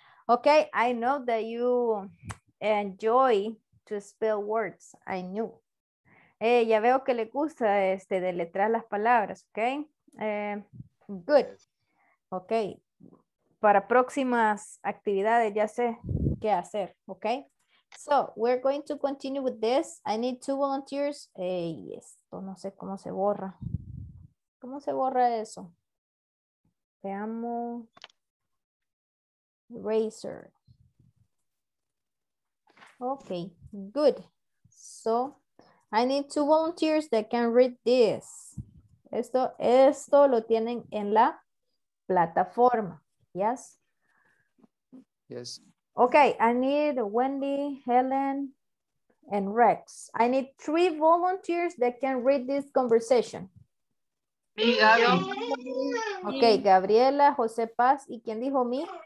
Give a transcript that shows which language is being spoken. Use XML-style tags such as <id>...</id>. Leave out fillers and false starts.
<en>Okay, I know that you enjoy to spell words. I knew.</en> <es>Ya veo que le gusta deletrear las palabras, okay? Good. Ok. Para próximas actividades ya sé qué hacer. Ok.</es> <en>So, we're going to continue with this. I need two volunteers.</en> <es>Esto no sé cómo se borra. ¿Cómo se borra eso? Veamos. Eraser.</es> <en>Okay, good. So, I need two volunteers that can read this.</en> <es>Esto lo tienen en la plataforma. Yes?</es> <en>Yes. Okay, I need Wendy, Helen, and Rex. I need three volunteers that can read this conversation. Me, Gabi.</en> <es>Okay, Gabriela, Jose Paz, ¿y quién dijo me?</es>